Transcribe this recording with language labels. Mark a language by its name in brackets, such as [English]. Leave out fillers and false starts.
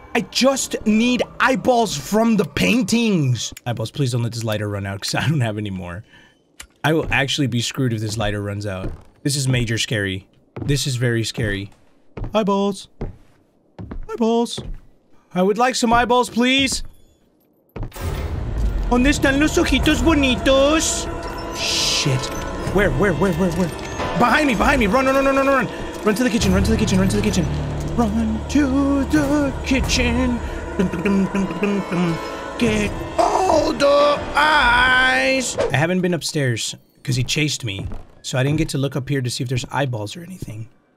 [English] I just need eyeballs from the paintings! Eyeballs, please don't let this lighter run out, because I don't have any more. I will actually be screwed if this lighter runs out. This is major scary. This is very scary. Eyeballs. Eyeballs. I would like some eyeballs, please. [Spanish] ¿Dónde están los ojitos bonitos? [English] Shit. Where? Behind me, behind me. Run, run, run, run, run, run. Run to the kitchen, run to the kitchen, run to the kitchen. Run to the kitchen. Dun, dun, dun, dun, dun, dun, dun. Get all the eyes. I haven't been upstairs because he chased me. So I didn't get to look up here to see if there's eyeballs or anything.